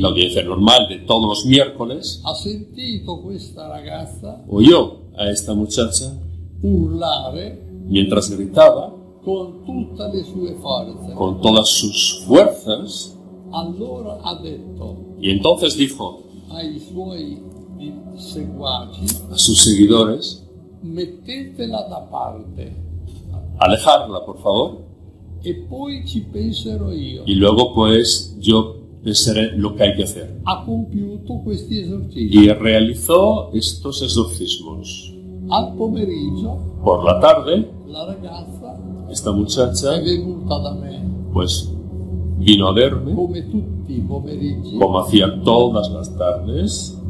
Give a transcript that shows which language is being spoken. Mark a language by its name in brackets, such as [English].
[Spanish] La audiencia normal de todos los miércoles. [Italian] Ha sentito questa ragazza. [Spanish] Oyó a esta muchacha. [Italian] Urlare. [Spanish] Mientras gritaba. [Italian] Con tutte le sue forze. [Spanish] Con todas sus fuerzas. [Italian] Allora ha detto. [Spanish] Y entonces dijo. [Italian] Ai suoi seguaci. [Spanish] A sus seguidores. [Italian] Mettetela da parte. [Spanish] Alejarla, por favor. [Italian] E poi ci penserò io. [Spanish] Y luego pues yo pensaré lo que hay que hacer. [Italian] Ha compiuto questi esorcismi. [Spanish] Y realizó estos exorcismos. [Italian] Al pomeriggio. [Spanish] Por la tarde. [Italian] La ragazza. [Spanish] Esta muchacha. [Italian] È venuta da me. [Spanish] Pues vino a verme. [Italian] Come tutti i pomeriggi. [Spanish] Como hacía todas las tardes.